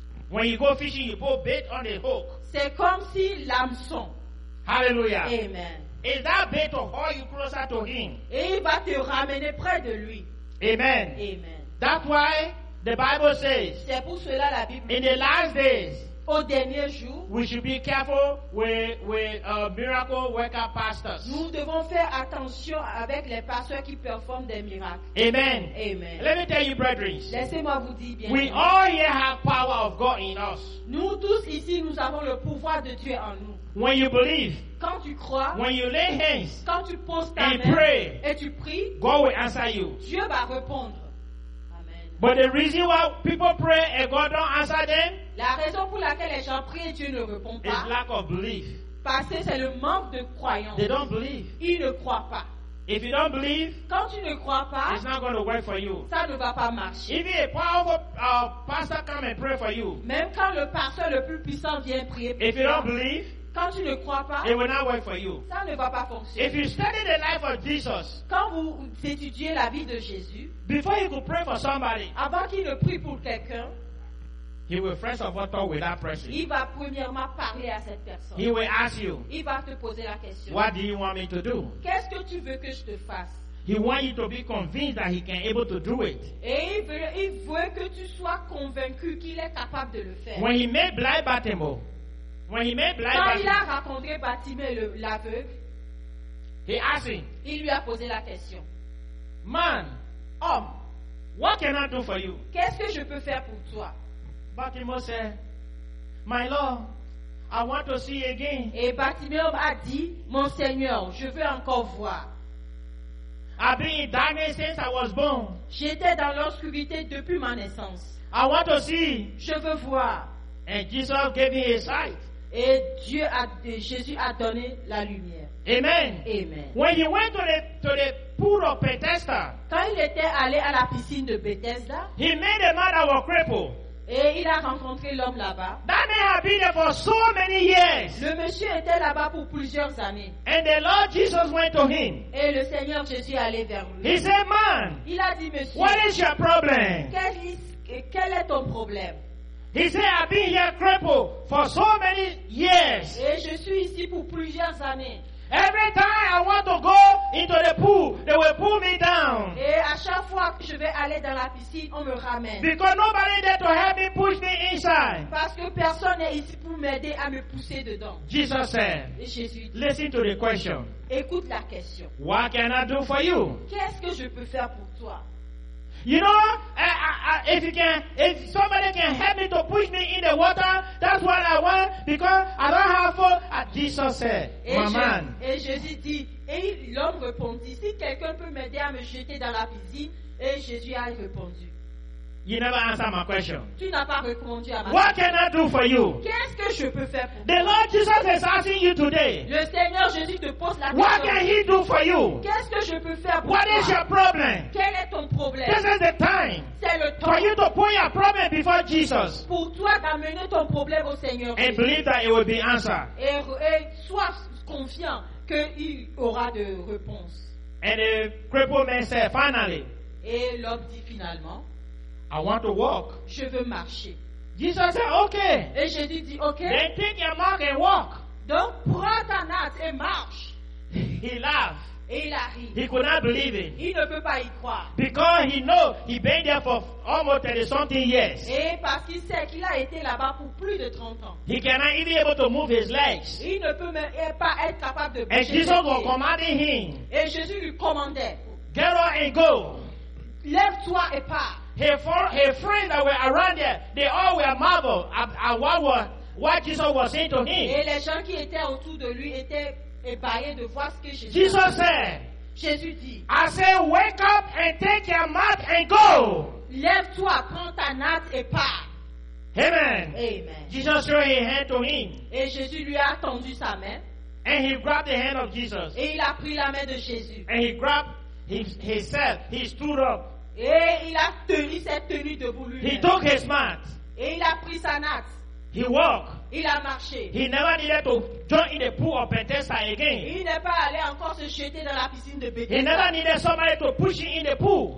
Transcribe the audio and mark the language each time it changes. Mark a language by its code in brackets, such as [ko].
[en] When you go fishing, you put bait on the hook. [fr] C'est comme si l'hameçon. [en] Hallelujah. Amen. Is that bait to haul you closer to him? [fr] Et il va te ramener près de lui. [en] Amen. Amen. That's why the Bible says. [fr] C'est pour cela la Bible. [en] In the last days. [fr] Au dernier jour. [en] We should be careful with miracle worker pastors. [fr] Nous devons faire attention avec les pasteurs qui performent des miracles. [en] Amen. Amen. Let me tell you, brethren. [fr] Laissez-moi vous dire bien. [en] We all here have power of God in us. [fr] Nous tous ici, nous avons le pouvoir de Dieu en nous. [en] When you believe. [fr] Quand tu crois. [en] When you lay hands. [fr] Quand tu poses ta [en] and [fr] main. [en] And pray. [fr] Et tu pries. [en] God will answer you. [fr] Dieu va répondre. Amen. [en] But the reason why people pray and God don't answer them, [fr] la raison pour laquelle les gens prient et Dieu ne répond pas, [en] is lack of belief. [fr] Parce que c'est le manque de croyance. [en] They don't believe. [fr] Ils ne croient pas. [en] If you don't believe, [fr] quand tu ne crois pas, [en] it's not going to work for you. [fr] Ça ne va pas marcher. [en] Even a powerful pastor come and pray for you, [fr] même quand le pasteur le plus puissant vient prier pour toi, [en] if you don't believe, [fr] quand tu ne crois pas, [en] it will not work for you. [fr] Ça ne va pas fonctionner. [en] If you study the life of Jesus, [fr] quand vous étudiez la vie de Jésus, [en] before you could pray for somebody, [fr] avant qu'il ne prie pour quelqu'un, [en] he will first of all talk with that person. [fr] Il va premièrement parler à cette personne. [en] He will ask you, [fr] il va te poser la question, [en] what do you want me to do? [fr] Qu'est-ce que tu veux que je te fasse? [en] He wants you to be convinced that he can able to do it. [fr] Et il veut que tu sois convaincu qu'il est capable de le faire. [en] When he met blind Bartimaeus, [fr] il a rencontré Bartimée l'aveugle, [en] he asked him, [fr] il lui a posé la question, [en] man, [fr] homme, [en] what can I do for you? [fr] Qu'est-ce que je peux faire pour toi? [en] Bartimaeus said, my lord, I want to see again. [fr] Et Bartimaeus a dit, mon Seigneur, je veux encore voir. [en] I've been in darkness since I was born. [fr] J'étais dans l'obscurité depuis ma naissance. [en] I want to see. [fr] Je veux voir. [en] And Jesus gave me his sight. [fr] Et Dieu a, Jésus a donné la lumière. [en] Amen. Amen. When he went to the pool of Bethesda, [fr] quand il était allé à la piscine de Bethesda, [en] he met a man that was crippled. [fr] Et il a rencontré l'homme là-bas. [en] That man had been there for so many years. [fr] Le monsieur était là-bas pour plusieurs années. [en] And the Lord Jesus went to him. [fr] Et le Seigneur Jésus allait vers lui. [en] He said, man, [fr] il a dit, monsieur, [en] what is your problem? [fr] Quel est ton problème? [en] He said, I've been here crippled for so many years. [fr] Et je suis ici pour plusieurs années. [en] Every time I want to go into the pool, they will pull me down. [fr] Et à chaque fois que je vais aller dans la piscine, on me ramène. [en] Because nobody there to help me push me inside. [fr] Parce que personne n'est ici pour m'aider à me pousser dedans. [en] Jesus said, listen to the question. [fr] Écoute la question. [en] What can I do for you? [fr] Qu'est-ce que je peux faire pour toi? [en] You know, if somebody can help me to push me in the water, that's what I want, because I don't have food. Jesus said, man. [fr] Et Jésus dit, et l'homme répondit, si quelqu'un peut m'aider à me jeter dans la piscine, et Jésus a répondu. [en] You never answered my question. [fr] Tu n'as pas répondu à ma [en] what [fr] question. [en] Can I do for you? [fr] Qu'est-ce que je peux faire pour [en] the Lord Jesus is asking you today. [fr] Le Seigneur Jésus te pose la [en] what [fr] question. [en] What can he do for you? [fr] Qu'est-ce que je peux faire pour [en] what [fr] toi? [en] Is your problem? [fr] Quel est ton problème? [en] This is the time. [fr] C'est le temps. [en] For you to put your problem before Jesus. [fr] Pour toi d'amener ton problème au Seigneur. [en] And believe that it will be answered. [fr] Et sois confiant qu'il aura de réponse. [en] And the crippled man said, finally. [fr] Et l'homme dit finalement, [en] I want to walk. [fr] Je veux marcher. [en] Jesus said, okay. [fr] Et Jésus dit, okay. [en] Then take your mat and walk. [fr] Donc prends ta natte et marche. [en] He laughed. [fr] Et il a ri. [en] He could not believe it. [fr] Il ne peut pas y croire. [en] Because he knows he's been there for almost 30 something years. [fr] Et parce qu'il sait qu'il a été là-bas pour plus de 30 ans. [en] He cannot even able to move his legs. [fr] Il ne peut même pas être capable de bouger. [en] And Jesus was commanding him. [fr] Et Jésus lui commandait. [en] Get up and go. [fr] Lève-toi et pars. [en] His friends that were around there, they all were marveled at what Jesus was saying to him. [fr] Et les gens qui étaient autour de lui étaient ébahis de voir ce que Jésus. [en] Jesus said. [fr] Jésus dit. [en] I say, wake up and take your mat and go. [fr] Lève-toi, prends ta natte et pars. [en] Amen. Amen. Jesus threw his hand to him. [fr] Et Jésus lui a tendu sa main. [en] And he grabbed the hand of Jesus. [fr] Et il a pris la main de Jésus. [en] And he grabbed himself. He stood up. [fr] Et il a tenu cette tenue debout lui-même. [en] He took his mat. [fr] Et il a pris sa natte. [en] He walked. [fr] Il a marché. [en] He never needed to join in the pool of Bethesda again. [fr] Il n'est pas allé encore se jeter dans la piscine de Bethesda. [en] He never needed somebody to push him in the pool.